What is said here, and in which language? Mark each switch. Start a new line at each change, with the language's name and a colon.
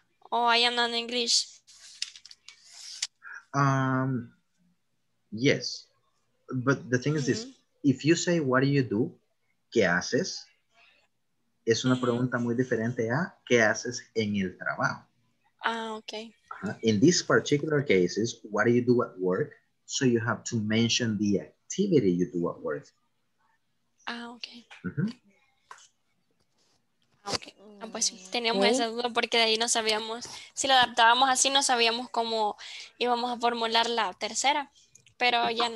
English: I am not English. Yes. But the thing is this. If you say, what do you do?
Spanish: ¿Qué haces? Es una pregunta muy diferente a ¿qué haces en el trabajo?
English: Okay. In this particular case, is what do you do at work? So you have to mention the activity you do at work. Okay. Okay.
Spanish: Pues teníamos esa duda porque de ahí no sabíamos si la adaptábamos así, no sabíamos cómo íbamos a formular la tercera, pero ya no.